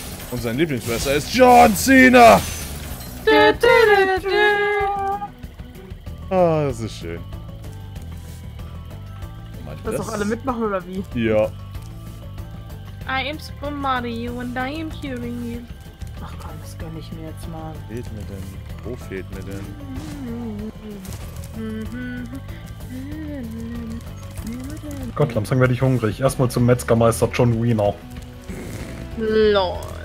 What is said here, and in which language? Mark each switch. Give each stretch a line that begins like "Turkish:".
German: Und sein Lieblingsmesser ist John Cena! Ah, oh, das ist schön. Mann, das auch alle mitmachen, oder wie? Ja.
English: I am Super Mario and I am hearing you.
German: Ach komm, das gönn ich mir jetzt mal. Fehlt mir denn? Wo fehlt mir denn? Gott, langsam werde ich hungrig. Erstmal zum Metzgermeister John Wiener.
English: Lol.